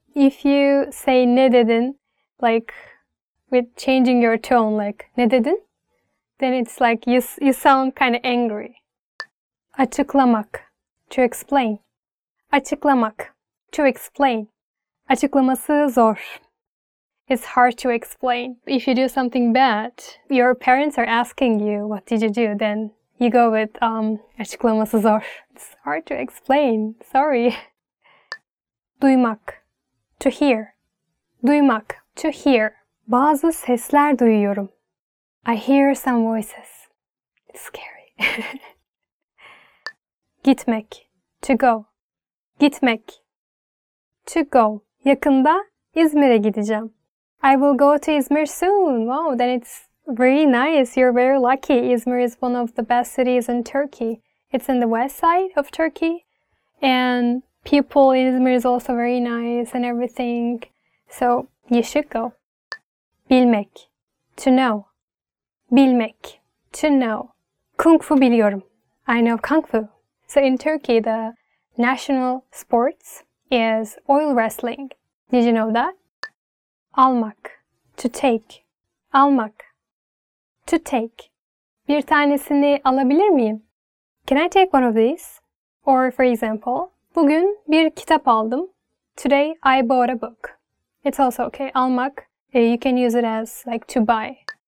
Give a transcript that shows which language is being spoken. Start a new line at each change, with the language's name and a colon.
English: If you say
Turkish: ne dedin,
English: like with changing your tone, like ne dedin, then it's like you sound kind of angry. Açıklamak, to explain. Açıklamak, to explain.
Turkish: Açıklaması zor.
English: It's hard to explain. If you do something bad, your parents are asking you, what did you do? Then you go with
Turkish: açıklaması zor.
English: It's hard to explain. Sorry. Duymak. To hear. Duymak. To hear.
Turkish: Bazı sesler duyuyorum.
English: I hear some voices. It's scary. Gitmek. To go. Gitmek. To go.
Turkish: Yakında İzmir'e gideceğim.
English: I will go to İzmir soon. Wow, then it's very nice. You're very lucky. İzmir is one of the best cities in Turkey. It's in the west side of Turkey. And people in İzmir is also very nice and everything. So you should go. Bilmek. To know. Bilmek. To know.
Turkish: Kung fu biliyorum.
English: I know kung fu. So in Turkey, the national sports is oil wrestling. Did you know that? Almak. To take. Almak. To take.
Turkish: Bir tanesini alabilir miyim?
English: Can I take one of these? Or for example,
Turkish: bugün bir kitap aldım.
English: Today I bought a book. It's also okay. Almak, you can use it as like to buy.